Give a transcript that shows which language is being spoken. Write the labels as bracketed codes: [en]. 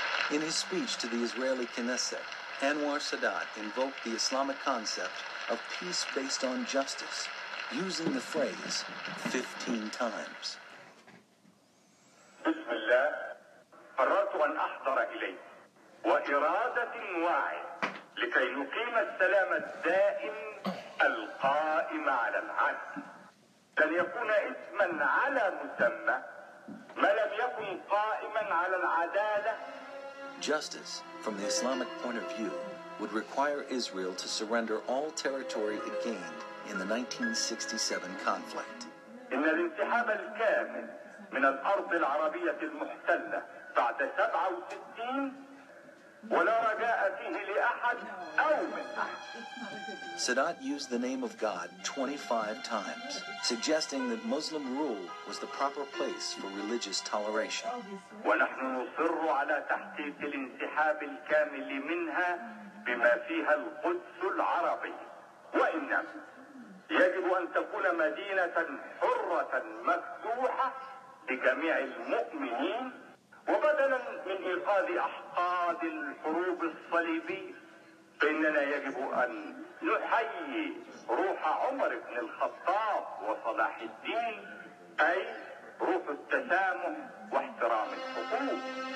[en] In his speech to the Israeli Knesset, Anwar Sadat invoked the Islamic concept of peace based on justice, using the phrase 15 times. [ar] Bismillah, قررت أن أحضر إليك وإرادة واعي لكي نقيم السلام الدائم القائم على العدل. لن يكون اسما على مسمى ما لم يكن قائما على العدالة. [en] Justice, from the Islamic point of view, would require Israel to surrender all territory it gained in the 1967 conflict. [ar] إن الانسحاب الكامل من الأرض العربية المحتلة بعد 67 ولا رجاء فيه لأحد أو من أحد. [en] Sadat used the name of God 25 times, suggesting that Muslim rule was the proper place for religious toleration. [ar] ونحن نصر على تحقيق الانسحاب الكامل منها بما فيها القدس العربي. وإنما يجب أن تكون مدينة حرة مفتوحة لجميع المؤمنين وبدلا من إيقاظ أحقاد الحروب الصليبية فإننا يجب أن نحيي روح عمر بن الخطاب وصلاح الدين أي روح التسامح واحترام الحقوق.